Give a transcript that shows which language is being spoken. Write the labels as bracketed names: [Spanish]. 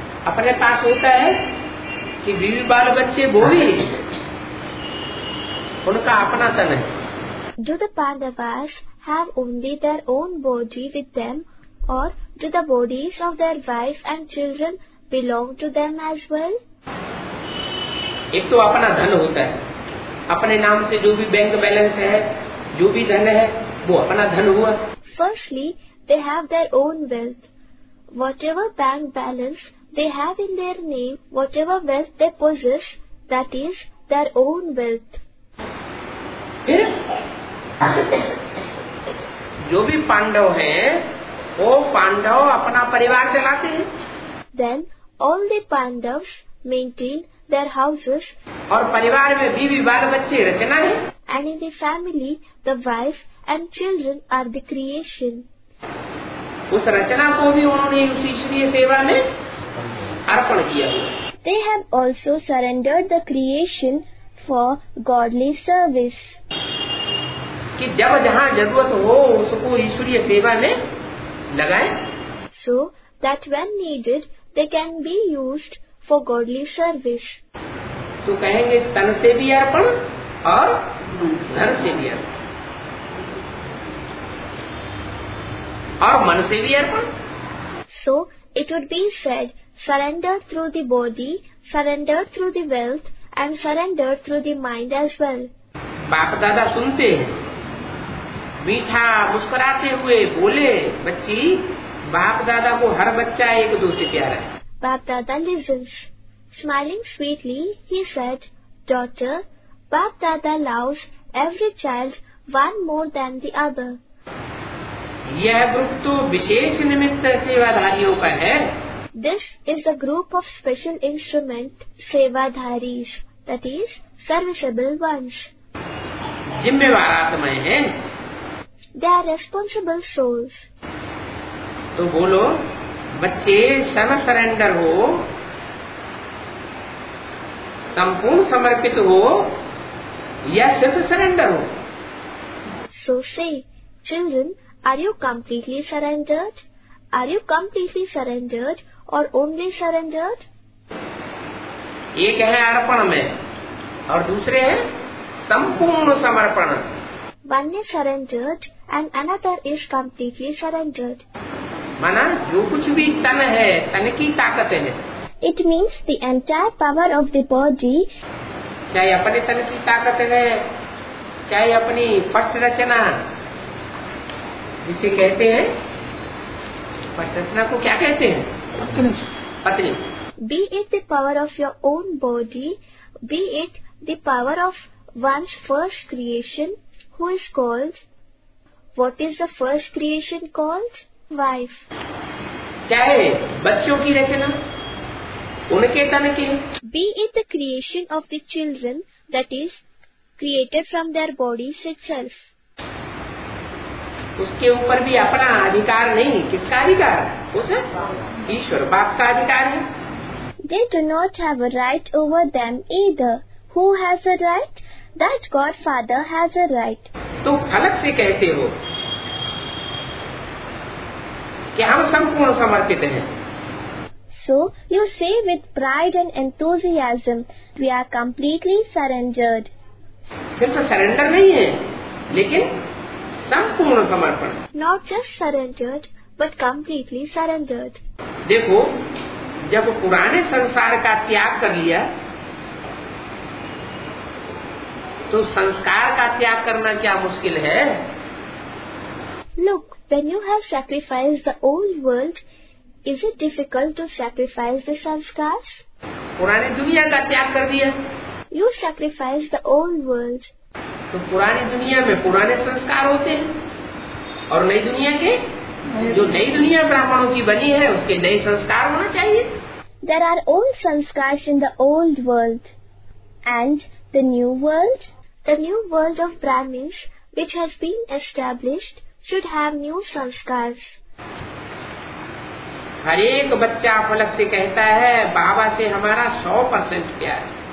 [Hindi] अपने पास होता है कि बीवी बाल बच्चे वो भी उनका अपना तन है। [English] Do the Pandavas have only their own body with them, or do the bodies of their wives and children belong to them as well? [Hindi] एक तो अपना धन होता है, अपने नाम से जो भी बैंक बैलेंस है, जो भी धन है, वो अपना धन हुआ। [English] Firstly, they have their own wealth. Whatever bank balance they have in their name, whatever wealth they possess, that is their own wealth. [Hindi] फिर जो भी पांडव हैं, वो पांडव अपना परिवार चलाते हैं। [English] Then all the Pandavas maintain their houses. [Hindi] और परिवार में बीवी बाल बच्चे रचना है। [English] And in the family, the wife and children are the creation. [Hindi] उस रचना को भी उन्होंने उस ईश्वरीय सेवा में अर्पण किया। [English] They have also surrendered the creation for godly service. [Hindi] कि जब जहाँ जरूरत हो उसको ईश्वरीय सेवा में लगाएं। [English] So that when needed, they can be used for godly service. [Hindi] तो कहेंगे तन से भी अर्पण और धन से भी अर्पण और मन से भी अर्पण। [English] So it would be said, surrender through the body, surrender through the wealth, and surrender through the mind as well. [Hindi] बाप दादा सुनते हैं, मीठा मुस्कुराते हुए बोले बच्ची, बाप दादा को हर बच्चा एक दूसरे प्यारा है। [English] Bap Dada listens, smiling sweetly, he said, daughter, Bap Dada loves every child one more than the other. [Hindi] यह ग्रुप तो विशेष निमित्त सेवाधारियों का है। [English] This is the group of special instrument सेवाधारीज, that is serviceable ones. [Hindi] जिम्मेवार आत्माएं हैं। [English] They are responsible souls. [Hindi] तो बोलो बच्चे सम सरेंडर हो, संपूर्ण समर्पित हो या सिर्फ सरेंडर हो। [English] So say, children, are you completely surrendered? Are you completely surrendered or only surrendered? [Hindi] एक है अर्पण में और दूसरे है संपूर्ण समर्पण। [English] One is surrendered and another is completely surrendered. [Hindi] माना जो कुछ भी तन है, तन की ताकत है। [English] It means the entire power of the body. [Hindi] चाहे अपने तन की ताकत है, चाहे अपनी फर्स्ट रचना, जिसे कहते हैं फर्स्ट रचना को क्या कहते हैं? पत्नी। [English] Be it the power of your own body, be it the power of one's first creation. Who is called? What is the first creation called? Wife. [Hindi] चाहे बच्चों की रचना, उनके तन की। [English] Be it the creation of the children, that is created from their bodies itself. [Hindi] उसके ऊपर भी अपना अधिकार नहीं, किसका अधिकार? उसे ईश्वर बाप का अधिकार है। [English] They do not have a right over them either. Who has a right? That Godfather has a right. [Hindi] तो फलक से कहते हो कि हम संपूर्ण समर्पित हैं। [English] So you say with pride and enthusiasm, we are completely surrendered. [Hindi] सिर्फ सरेंडर नहीं है, लेकिन संपूर्ण समर्पण। [English] Not just surrendered, but completely surrendered. [Hindi] देखो, जब पुराने संसार का त्याग कर लिया, तो संस्कार का त्याग करना क्या मुश्किल है? [English] Look, when you have sacrificed the old world, is it difficult to sacrifice the sanskars? [Hindi] पुरानी दुनिया का त्याग कर दिया। [English] You sacrificed the old world. [Hindi] तो पुरानी दुनिया में पुराने संस्कार होते हैं और नई दुनिया के जो नई दुनिया ब्राह्मणों की बनी है उसके नए संस्कार होना चाहिए। [English] There are old sanskars in the old world and the new world of Brahmins, which has been established, should have new sanskars. [Hindi] हर एक बच्चा फलक से कहता है, बाबा से हमारा 100% प्यार।